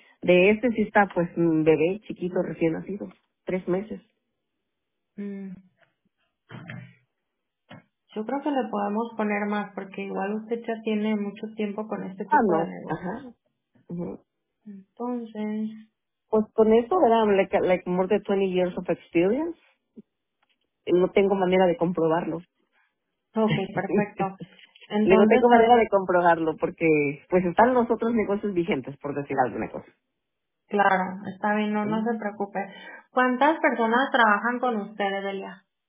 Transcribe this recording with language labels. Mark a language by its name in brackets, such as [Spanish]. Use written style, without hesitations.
[Spanish] De este sí está pues un bebé chiquito recién nacido, 3 meses. Yo creo que le podemos poner más porque igual usted ya tiene mucho tiempo con este tipo de negocio. Entonces, pues con eso, ¿verdad? [English] Like more than 20 years of experience. [Spanish] No tengo manera de comprobarlo. Ok, perfecto. Entonces, no tengo manera de comprobarlo porque pues están los otros negocios vigentes, por decir alguna cosa. Claro, está bien, no se preocupe. ¿Cuántas personas trabajan con usted, Evelia?